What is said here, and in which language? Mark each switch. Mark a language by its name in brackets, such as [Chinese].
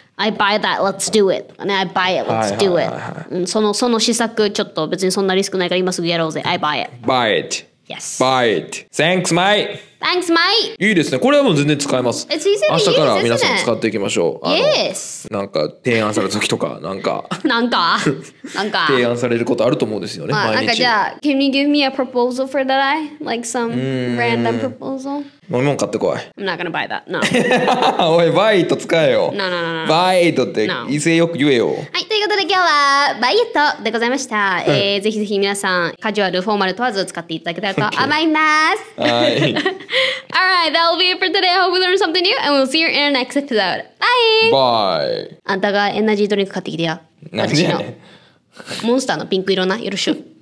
[English] I buy that let's do it I buy it let's do it [Japanese] その試作ちょっと別にそんなリスクないから今すぐやろうぜ [English] I buy it buy it yes buy it thanks mate Thanks, mate. [Japanese] いいですね。これはもう全然使えます。 [English] It's easy to use, [Japanese] 明日から皆さん使っていきましょう。 [English] Yes. [Japanese] なんか提案されるときとか、なんか。なんか。提案されることあると思うんですよね、まあ、毎日。 [English] なんかじゃあ、Can you give me a proposal for that eye? Like some random proposal? [Japanese] 飲み物買ってこい。 [English] I'm not gonna buy that. No. [Japanese] おい、バイト使えよ。 [English] No. [Japanese] バイトって威勢よく言えよ。はい、ということで今日はバイトでございました、ぜひぜひ皆さん、カジュアル、フォーマル問わず使っていただけたらと思います。 [English] Okay. All right, that'll be it for today. I hope you learned something new, and we'll see you in our next episode. Bye! Bye! [Japanese] あんたがエナジードリンク買ってきてよ。何じゃねモンスターのピンク色な。よろしく。